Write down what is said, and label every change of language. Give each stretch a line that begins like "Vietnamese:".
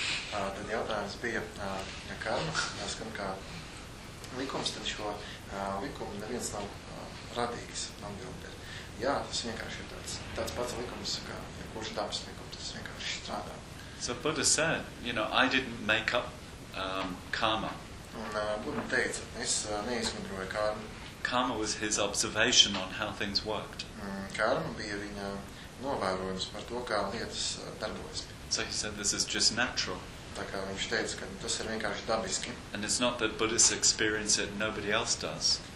Latvian: Tad jautājums bija, ja karma skan kā likums, tad šo likumu neviens nav radījis, nav bildēt. Jā, tas vienkārši ir tāds pats likums, kā jebkurš dabas likums, tas vienkārši strādā.
English: So Buddha said, you know, I didn't make up karma.
Latvian: Un Buddha teica, es neizmidroju karmu.
English: Karma was his observation on how things worked.
Latvian: Karma bija viņa novērojums par to, kā lietas darbojas.
English: So he said, this is just natural.
Latvian: Tā kā viņš teica, ka tas ir vienkārši dabiski.
English: And it's not that Buddhists experience it, nobody else does.